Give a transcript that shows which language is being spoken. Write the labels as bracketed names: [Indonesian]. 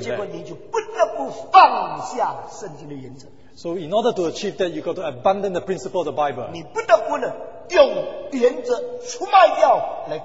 [Chinese] 结果你就不得不放下圣经的原则。 [English] So in order to achieve that, you've got to abandon the principle of the Bible. [Chinese] 你不得不呢,用原则出卖掉,